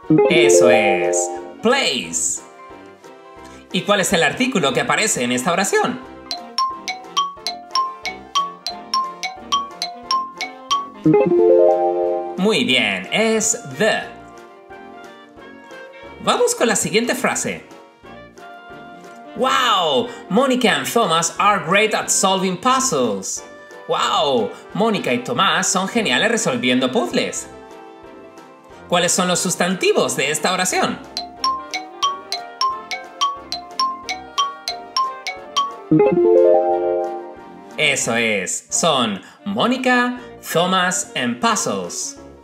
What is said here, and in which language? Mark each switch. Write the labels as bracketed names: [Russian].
[Spanish] Eso es, plays. ¿Y cuál es el artículo que aparece en esta oración? Muy bien, es the. Vamos con la siguiente frase. ¡Wow! [English] Mónica y Thomas are great at solving puzzles. ¡Wow! [Spanish] Mónica y Tomás son geniales resolviendo puzzles. ¿Cuáles son los sustantivos de esta oración? Eso es, son Mónica, Thomas and puzzles.